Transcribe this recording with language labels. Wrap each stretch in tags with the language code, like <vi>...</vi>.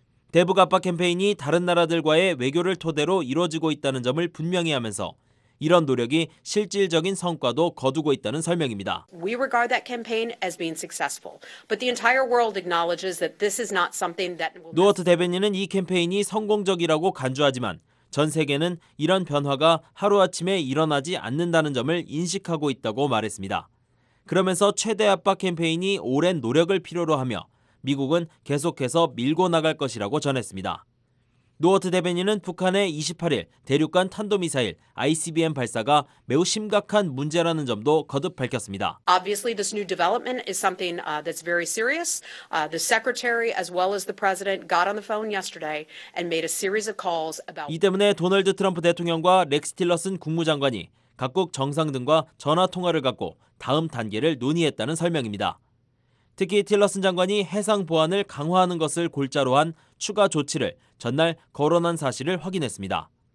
<ko>대북 압박 캠페인이 다른 나라들과의 외교를 토대로 이루어지고 있다는 점을 분명히 하면서 이런 노력이 실질적인 성과도 거두고 있다는 설명입니다.</ko> <en>We regard that campaign as being successful, but the entire world acknowledges that this is not something that.</en> <ko>노어트 대변인은 이 캠페인이 성공적이라고 간주하지만 전 세계는 이런 변화가 하루아침에 일어나지 않는다는 점을 인식하고 있다고 말했습니다. 그러면서 최대 압박 캠페인이 오랜 노력을 필요로 하며 미국은 계속해서 밀고 나갈 것이라고 전했습니다. 노어트 대변인은 북한의 28일 대륙간 탄도미사일 ICBM 발사가 매우 심각한 문제라는 점도 거듭 밝혔습니다.</ko> <en>Obviously this new development is something that's very serious. The secretary as well as the president got on the phone yesterday and made a series of calls about.</en> <ko>이 때문에 도널드 트럼프 대통령과 렉스 틸러슨 국무장관이 각국 정상 등과 전화 통화를 갖고 다음 단계를 논의했다는 설명입니다. 특히 틸러슨 장관이 해상 보안을 강화하는 것을 골자로 한 추가 조치를 전날 거론한 사실을 확인했습니다.</ko>